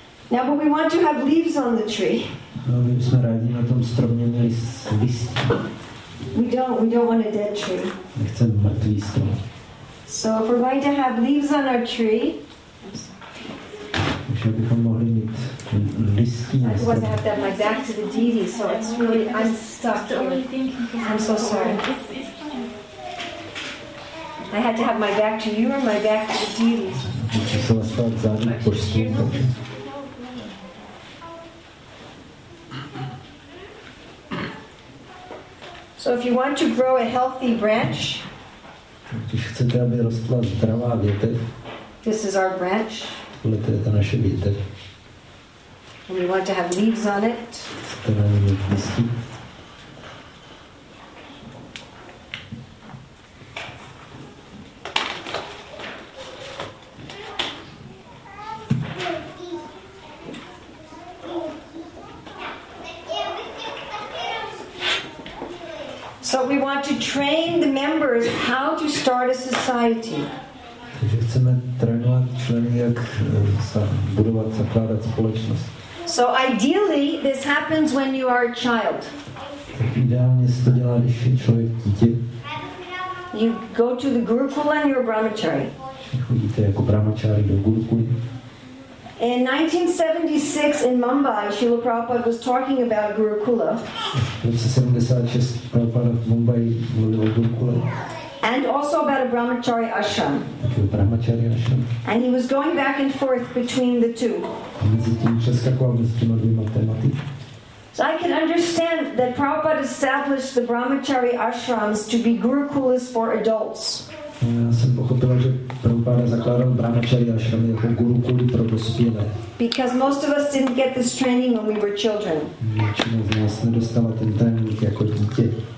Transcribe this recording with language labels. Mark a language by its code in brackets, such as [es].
[en] Now, but we want to have leaves on the tree. [cs] No, my jsme rádi na tom stromě měli listy. [en] We don't want a dead tree. [cs] Nechceme mrtvý strom. [en] So if we're going to have leaves on our tree, I'm sorry. [cs] Bychom mohli mít listy na stromě. [en] I wasn't have that my back to the deity, so it's really I'm stuck. I'm so sorry. I had to have my back to you or my back to the deity. [cs] Musím se zastavit zády k božstvu. [en] So if you want to grow a healthy branch, [cs] když chcete, aby rostla zdravá větev, [en] this is our branch. [cs] Tohle je ta naše větev. [en] And we want to have leaves on it. [cs] Chcete na ní listy. [en] So we want to train the members how to start a society. [cs] Takže chceme trénovat členy, jak budovat, zakládat společnost. [en] So ideally, this happens when you are a child. [cs] Tak ideálně se to dělá, když je člověk dítě. [en] You go to the Gurukul and you're a brahmachari. [cs] Chodíte jako brahmachari do Gurukuli. [en] In 1976 in Mumbai, Srila Prabhupada was talking about Gurukula. In 1976, Prabhupada in Mumbai was talking about Gurukula. And also about a Brahmachari ashram. Okay, Brahmachari ashram. And he was going back and forth between the two. So I can understand that Prabhupada established the Brahmachari ashrams to be Gurukulas for adults. [cs] Já jsem pochopil, že Prabhupada zakládal brahmačary ashramy jako gurukuly pro dospělé. [en] Because most of us didn't get this training when we were children. [cs] Většinou z nás nedostala ten trénink jako dítě.